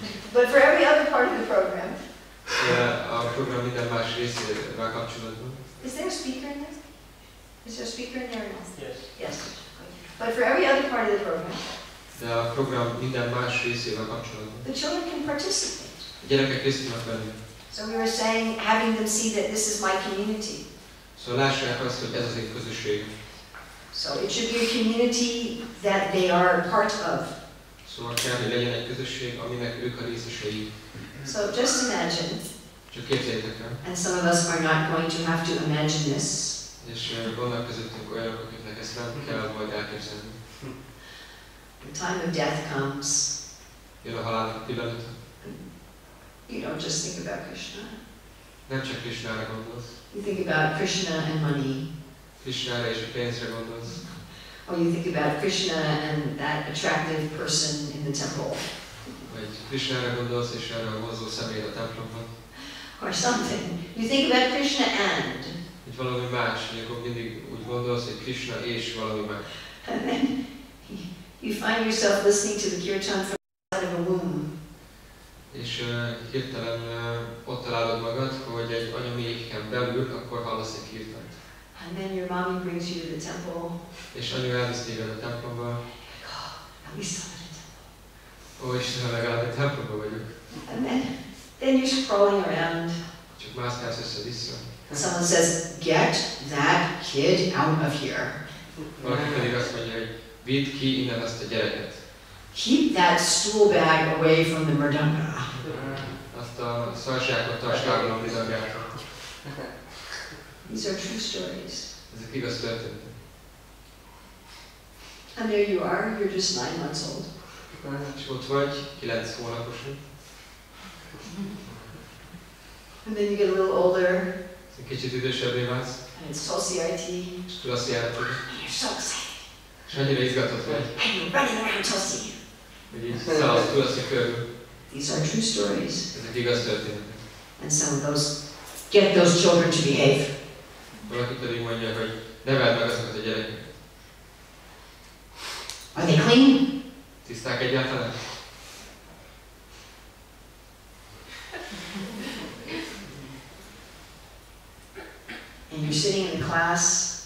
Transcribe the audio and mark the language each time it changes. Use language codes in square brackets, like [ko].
[en] But for every other part of the program. [hu] Yeah, a program minden más részével kapcsolatban. [en] Is there a speaker in there? Is there a speaker in there? Yes. Yes. But for every other part of the program. [hu] De a program minden más részével kapcsolatban. [en] The children can participate. [hu] A gyerekek részt tudnak venni. [en] So we were saying, having them see that this is my community. [hu] Szóval lássák azt, hogy ez az én közösségem. [en] So it should be a community that they are part of. [hu] Szóval kell, hogy legyen egy közösség, aminek ők a részesei. [en] So just imagine. [hu] Csak képzeljétek el. [en] And some of us are not going to have to imagine this. [hu] És vannak közöttünk olyanok, akiknek ezt nem kell majd elképzelni. [en] The time of death comes. [hu] Jön a halálnak a pillanat. [en] You don't just think about Krishna. [hu] Nem csak Krishnára gondolsz. [en] You think about Krishna and money. [hu] Krishna és a pénzre gondolsz. [en] Or you think about Krishna and that attractive person in the temple. [hu] Vagy Krishnára gondolsz és erre a vonzó személyre a templomban. [en] Or something. You think about Krishna and. [hu] Egy valami más, hogy akkor mindig úgy gondolsz, hogy Krishna és valami más. [en] And then you find yourself listening to the kirtan from inside of a womb. [hu] És hirtelen ott találod magad, hogy egy anyaméhéken belül, akkor hallasz egy kirtant. [en] And then your mommy brings you to the temple. [hu] És anyu elvisz téged a templomba. [en] Oh, at least I'm in a temple. [hu] Ó, Istenem, legalább egy templomba vagyok. [en] And then you're scrolling around. [hu] Csak mászkálsz össze-vissza. [en] Someone says, get that kid out of here. [hu] Valaki pedig azt mondja, hogy vidd ki innen ezt a gyereket. [en] Keep that stool bag away from the mridanga. [hu] Azt a szarságot tartsd a mridangát. [en] These are true stories. [hu] Ezek igaz történetek. [en] And there you are, you're just 9 months old. [hu] És ott vagy, 9 hónapos vagy. [en] And then you get a little older. [hu] Kicsit idősebbé válsz. [en] And society. [hu] És society. [en] And you're so excited. [hu] És annyira izgatott vagy. [en] And you're running around society. [hu] Hogy így szállsz tulajdonképpen körül. [en] These are true stories. [hu] Ezek igaz történetek. [en] And some of those get those children to behave. [hu] Valaki pedig mondja, hogy neveld meg azokat a gyerekeket. [en] Are they clean? [hu] Tiszták egyáltalán? [en] And you're sitting in the class.